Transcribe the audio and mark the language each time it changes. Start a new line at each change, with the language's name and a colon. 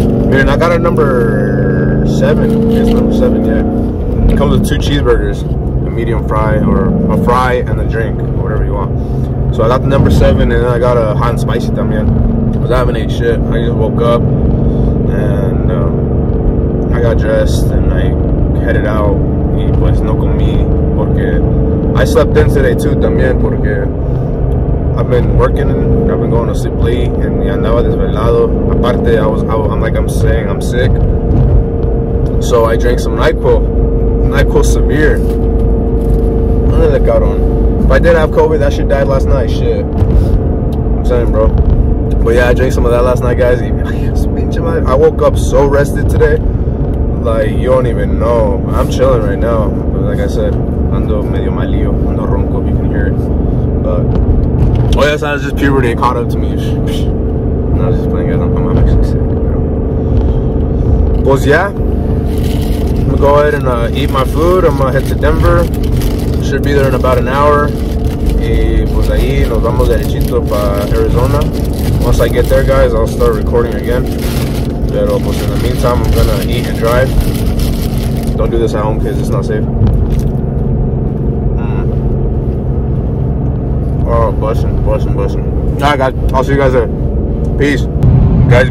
English: Man, I got a number 7. It's number 7, yeah. It comes with 2 cheeseburgers, a medium fry, or a fry and a drink, whatever you want. So I got the number 7, and I got a hot and spicy también. I haven't ate shit. I just woke up and I got dressed and I headed out.
Spanish: Y pues no comí porque
English: I slept in today too
Spanish: también porque
English: I've been working. I've been going to sleep late and
Spanish: ya andaba desvelado. Aparte,
English: I'm sick. So I drank some NyQuil Severe. None of the cabrón. If I did have COVID, that shit died last night. Shit. I'm saying, bro. But yeah, I drank some of that last night, guys. I woke up so rested today. Like, you don't even know. I'm chilling right now. But like I said,
Spanish: ando medio malio. Ando ronco,
English: if you can hear it. But, oh yeah, so that's just puberty. It caught up to me. And I was just playing, guys. I'm actually sick, bro. Pues yeah. I'm gonna go ahead and eat my food. I'm gonna head to Denver. Should be there in about an hour.
Spanish: Y pues ahí nos vamos derechito para Arizona.
English: Once I get there, guys, I'll start recording again. But almost in the meantime, I'm gonna eat and drive. Don't do this at home, cause it's not safe. Oh, bussing. All right, guys, I'll see you guys there. Peace, guys.